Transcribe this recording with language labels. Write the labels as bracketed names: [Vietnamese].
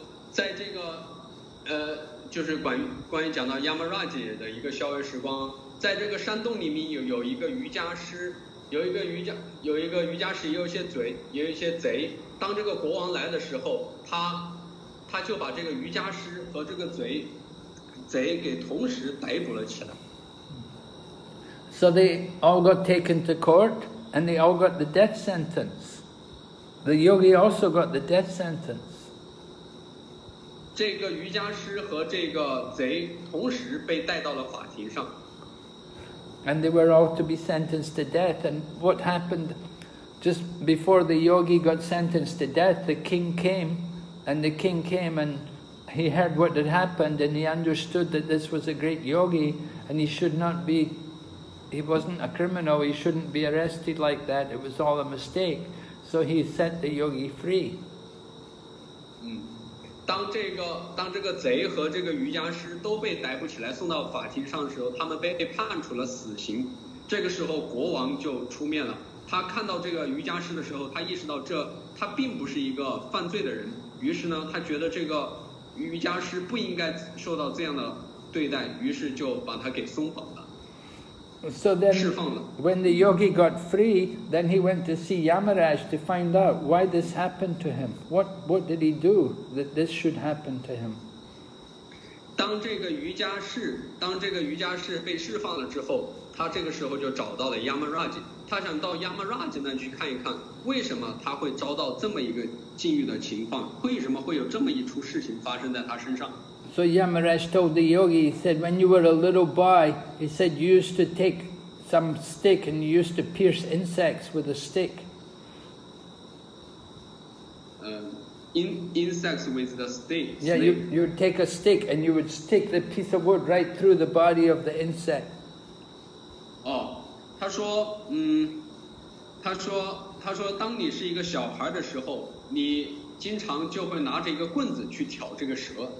[Chinese] 在这个就是关于讲到 Yamaraj 的一个逍遥时光，在这个山洞里面有一个瑜伽师，有一个瑜伽师有一些贼，当这个国王来的时候，他就把这个瑜伽师和这个贼给同时逮捕了起来。 [English] So they all got taken to court, and they all got the death sentence. The yogi also got the death sentence. [Chinese] 这个瑜伽师和这个贼同时被带到了法庭上。 [English] And they were all to be sentenced to death. And what happened just before the yogi got sentenced to death, the king came and he heard what had happened and he understood that this was a great yogi and he wasn't a criminal, he shouldn't be arrested like that, it was all a mistake. So he set the yogi free. [Chinese] 当这个贼和这个瑜伽师都被逮捕起来送到法庭上的时候，他们被判处了死刑。这个时候国王就出面了，他看到这个瑜伽师的时候，他意识到他并不是一个犯罪的人，于是呢，他觉得这个瑜伽师不应该受到这样的对待，于是就把他给松绑了。 [English] So then, when the yogi got free, then he went to see Yamaraj to find out why this happened to him. What did he do that this should happen to him? [Chinese] 当这个瑜伽士被释放了之后，他这个时候就找到了 Yamaraj， 他想到 Yamaraj 那去看一看，为什么他会遭到这么一个境遇的情况，为什么会有这么一出事情发生在他身上。 [English] So Yamaraj told the yogi, he said, when you were a little boy, he said, you used to take some stick and you used to pierce insects with a stick. Insects with the stick? Yeah, you would take a stick and you would stick the piece of wood right through the body of the insect. [Chinese] Oh, 他说当你是一个小孩的时候，你经常就会拿着一个棍子去挑这个蛇。